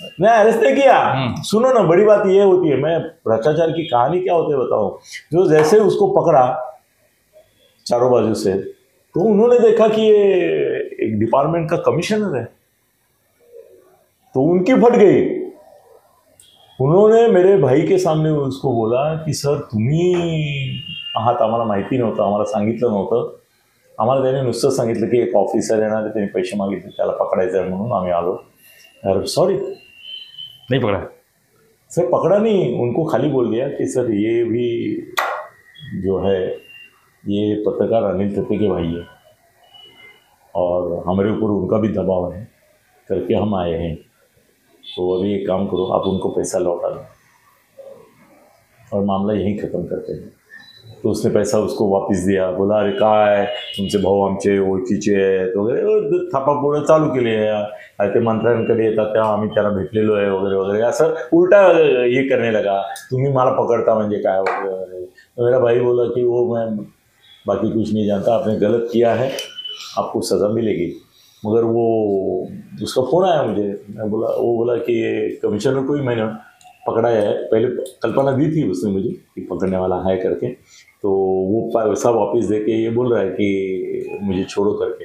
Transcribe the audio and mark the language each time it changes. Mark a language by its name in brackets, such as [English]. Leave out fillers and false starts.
[Hindi] नहीं अरेस्ट किया। सुनो ना बड़ी बात ये होती है, मैं भ्रष्टाचार की कहानी क्या होती है बताओ, जो जैसे उसको पकड़ा चारों बाजू से, तो उन्होंने देखा कि ये एक डिपार्टमेंट का कमिश्नर है, तो उनकी फट गई। उन्होंने मेरे भाई के सामने उसको बोला कि सर [Marathi] तुम्ही आहात, आम्हाला माहिती नव्हतं, आम्हाला सांगितलं नव्हतं, आम्हाला त्याने नुसतं सांगितलं की एक ऑफिसर येणार, त्याने पैसे मागितले, त्याला पकडायचं आहे म्हणून आम्ही आलो। [Hindi] अरे सॉरी [Marathi] नाही पकडा [Hindi] सर, पकडा नाही, उनको खाली बोल दिया की सर ये भी जो है ये पत्रकार अनिल तत्ते के भाई है और हमारे ऊपर उनका भी दबाव है करके हम आए हैं, तो अभी एक काम करो आप उनको पैसा लौटा दो और मामला यहीं ख़त्म करते हैं। तो उसने पैसा उसको वापस दिया, बोला अरे का है तुमसे [Marathi] भाऊ आमचे ओळखीचे तो वगैरे थापा पोळ चालू केले, अरे ते मंत्र्यांकडे येतात तेव्हा आम्ही त्यांना भेटलेलो आहे वगैरे वगैरे, असं उलटा हे करणे लगा, तुम्ही मला पकडता म्हणजे काय वगैरे वगैरे। [Hindi] तर मेरा भाई बोला की वो मैं बाकी कुछ नहीं जानता, आपने गलत किया है, आपको सजा मिलेगी। मगर वो उसका फोन आया मुझे, मैं बोला, वो बोला कि कमिश्नर को ही मैंने पकड़ाया है, पहले कल्पना दी थी उसने मुझे कि पकड़ने वाला है करके, तो वो पैसा वापस दे के ये बोल रहा है कि मुझे छोड़ो करके।